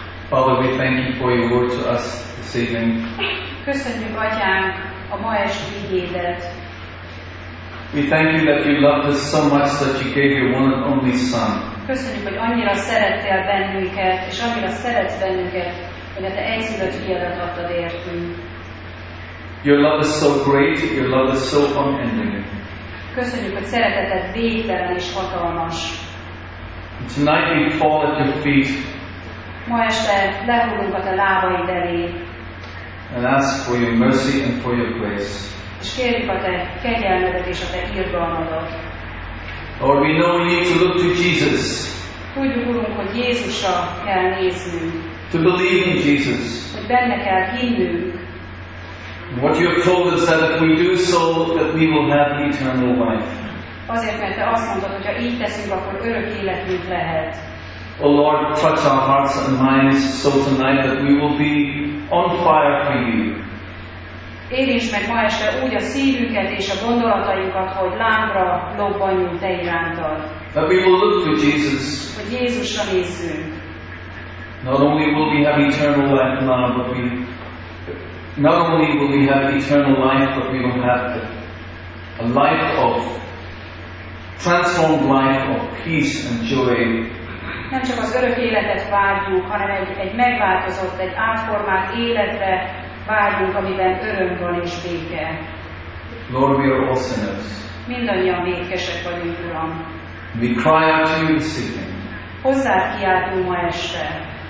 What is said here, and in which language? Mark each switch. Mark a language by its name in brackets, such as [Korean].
[English] Father, we thank you for your word to us this evening. [Hungarian] Köszönjük, Atyánk, a ma esti igédet. [English] We thank you that you loved us so much that you gave your one and only Son. [Hungarian] Köszönjük, hogy annyira szerettél bennünket, és annyira szeretsz bennünket, hogy a te egyszülött fiadat adtad értünk. [English] Your love is so great, your love is so unending. [Hungarian] Köszönjük, hogy szereteted végtelen és hatalmas. [English] And tonight we fall at your feet. [Hungarian] Ma este lehullunk a te lábaid elé. [English] And ask for your mercy and for your grace. [Hungarian] És kérjük a te kegyelmedet és a te irgalmadat. [English] Lord, we know we need to look to Jesus. [Hungarian] Tudjuk, Urunk, hogy Jézusra kell néznünk. [English] To believe in Jesus. [Hungarian] Hogy benne kell hinnünk. [English] What you have told us that if we do so, that we will have eternal life. [Hungarian] Azért, mert te azt mondtad, hogy ha így teszünk, akkor örök életünk lehet. [English] O Lord, touch our hearts and minds so tonight that we will be on fire for you. [Hungarian] Érjünk meg ma este úgy a szívünket és a gondolatainkat, hogy lángra lobbanjunk te irántad. [English] That we will look to Jesus. [Hungarian] Hogy Jézusra nézzünk. [English] Not only will we have eternal life now, but we not only will we have eternal life, but we will have a life of transformed life of peace and joy. [Hungarian] Nem csak az örök életet várjuk, hanem egy megváltozott, egy átformált életre várjuk, amiben öröm van és béke. [English] Lord, we are all sinners. [Hungarian] Mindannyian vétkesek vagyunk, Uram. [English] We cry out to you this evening. [Hungarian] Hozzád kiáltunk ma este.